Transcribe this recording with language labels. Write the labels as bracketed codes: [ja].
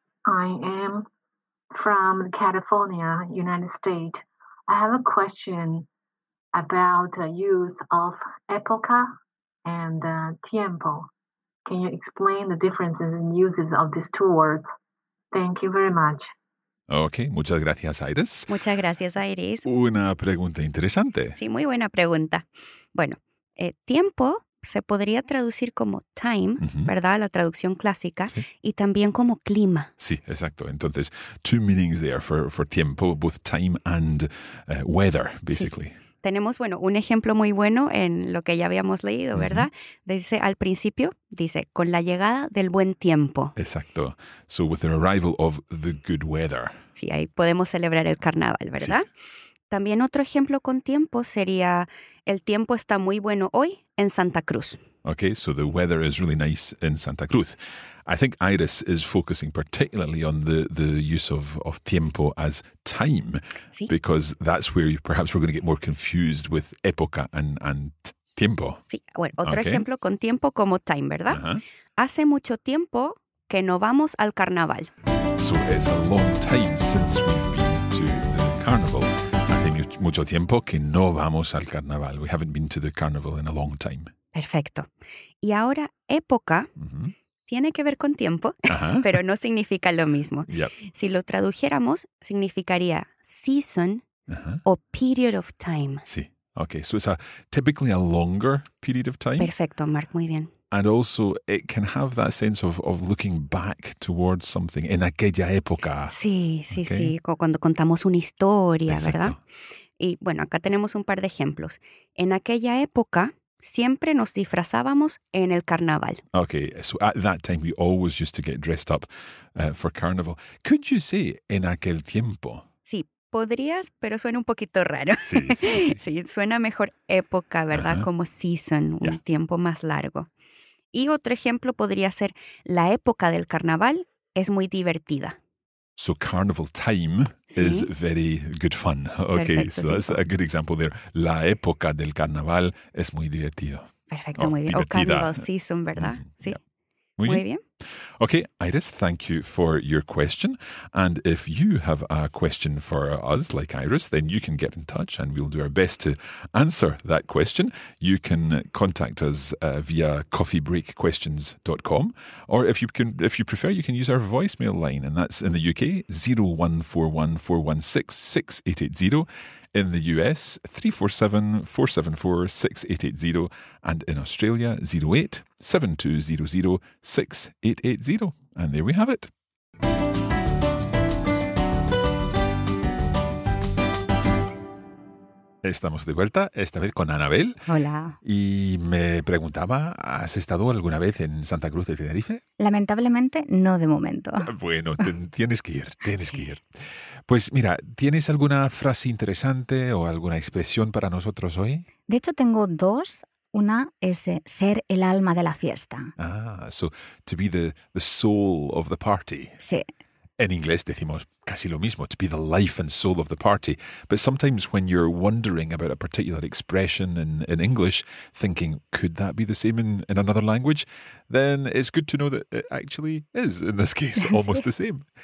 [en] I am from California, United States. I have a question about the use of época and tiempo. Can you explain the differences in uses of these two words? Thank you very much. [es] Okay, muchas gracias, Iris. Muchas gracias, Iris. Una pregunta interesante. Sí, muy buena pregunta. Bueno, tiempo se podría traducir como time, uh-huh. ¿Verdad? La traducción clásica. Sí. Y también como clima. Sí, exacto. [en] Entonces, two meanings there for tiempo, both time and weather, basically. [es] Sí. Tenemos, bueno, un ejemplo muy bueno en lo que ya habíamos leído, ¿verdad? Uh-huh. Dice, al principio, dice, con la llegada del buen tiempo. Exacto. [en] So, with the arrival of the good weather. [es] Sí, ahí podemos celebrar el carnaval, ¿verdad? Sí. También otro ejemplo con tiempo sería, el tiempo está muy bueno hoy en Santa Cruz. [en] Okay, so the weather is really nice in Santa Cruz. I think Iris is focusing particularly on the use of tiempo as time, [es] ¿sí? [en] Because that's where perhaps we're going to get more confused with época and tiempo. [es] Sí, bueno, otro okay. ejemplo con tiempo como time, ¿verdad? Uh-huh. Hace mucho tiempo que no vamos al carnaval. [en] So it's a long time since we've been to the carnival. [es] Hace mucho tiempo que no vamos al carnaval. [en] We haven't been to the carnival in a long time. [es] Perfecto. Y ahora, época uh-huh. tiene que ver con tiempo, uh-huh. pero no significa lo mismo. [en] Yep. [es] Si lo tradujéramos, significaría season uh-huh. o period of time. Sí. Okay. [en] So it's a typically a longer period of time. [es] Perfecto, Mark. Muy bien. [en] And also, it can have that sense of looking back towards something [es] en aquella época. Sí, sí, okay. sí. O cuando contamos una historia, exacto. ¿verdad? Y bueno, acá tenemos un par de ejemplos. En aquella época... siempre nos disfrazábamos en el carnaval. [en] Okay, so at that time we always used to get dressed up for carnival. Could you say [es] en aquel tiempo? Sí, podrías, pero suena un poquito raro. Sí, sí, sí. Sí, suena mejor época, ¿verdad? Uh-huh. Como season, un yeah. tiempo más largo. Y otro ejemplo podría ser la época del carnaval es muy divertida. [en] So carnival time is very good fun. Okay, perfecto, so that's a good example there. [es] La época del carnaval es muy divertido. Perfecto, oh, muy bien. Divertida. O carnival season, ¿verdad? Mm-hmm. Sí. Yeah. Muy bien. [en] Okay, Iris, thank you for your question. And if you have a question for us, like Iris, then you can get in touch and we'll do our best to answer that question. You can contact us via coffeebreakquestions.com. Or if you prefer, you can use our voicemail line. And that's in the UK, 01414166880. In the US, 347-474-6880. And in Australia, 08-7200-6880. And there we have it. [es] Estamos de vuelta, esta vez con Anabel. Hola. Y me preguntaba, ¿has estado alguna vez en Santa Cruz de Tenerife? Lamentablemente, no de momento. Bueno, tienes que ir. Pues mira, ¿tienes alguna frase interesante o alguna expresión para nosotros hoy? De hecho, tengo dos. Una es ser el alma de la fiesta. [en] Ah, so to be the soul of the party. [es] Sí. [en] In English, [es] decimos casi lo mismo, [en] to be the life and soul of the party. But sometimes when you're wondering about a particular expression in English, thinking, could that be the same in another language? Then it's good to know that it actually is, in this case, almost the same.